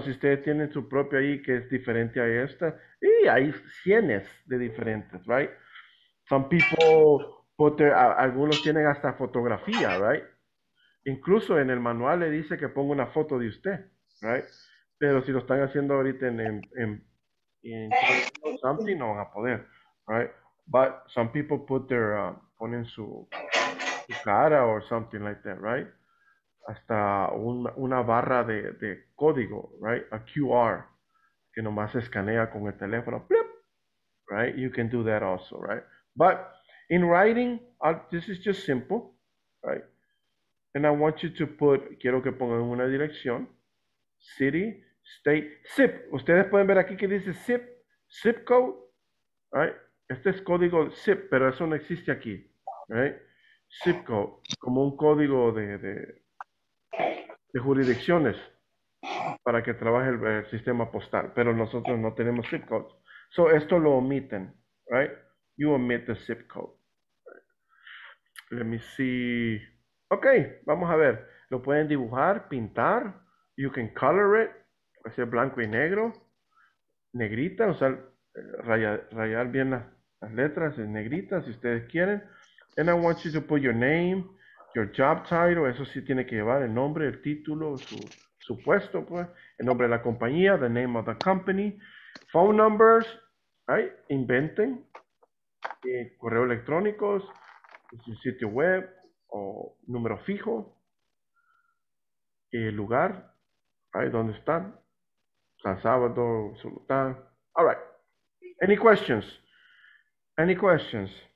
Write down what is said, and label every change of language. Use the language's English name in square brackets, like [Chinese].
[Spanish] Si ustedes tienen su propio ahí que es diferente a esta, y hay cientos de diferentes, right? [English] Some people put their, [Spanish] algunos tienen hasta fotografía, right? Incluso en el manual le dice que ponga una foto de usted, right? Pero si lo están haciendo ahorita en something, no van a poder, right? [English] But some people put their, [Spanish] ponen su cara [English] or something like that, right? [Spanish] Hasta una barra de código, right? A QR, que nomás escanea con el teléfono, blip, right? [English] You can do that also, right? But in writing, this is just simple, right? And I want you to put, [Spanish] quiero que pongan una dirección, [English] city, state, zip. [Spanish] Ustedes pueden ver aquí que dice zip, zip code, right? Este es código zip, pero eso no existe aquí, right? Zip code, como un código de jurisdicciones para que trabaje el sistema postal, pero nosotros no tenemos zip codes. So esto lo omiten, right? [English] You omit the zip code. Let me see. [Spanish] Okay, vamos a ver. Lo pueden dibujar, pintar. [English] You can color it. [Spanish] Puede ser blanco y negro. Negrita, o sea, rayar bien las letras en negrita si ustedes quieren. [English] And I want you to put your name, your job title. [Spanish] Eso sí tiene que llevar el nombre, el título, su puesto, pues. El nombre de la compañía, [English] the name of the company. [Spanish] Phone numbers, right? Inventen. Correo electrónico, su sitio web o número fijo, el lugar, ahí donde están, San Sábado, Sultán. All right. [English] Any questions? Any questions?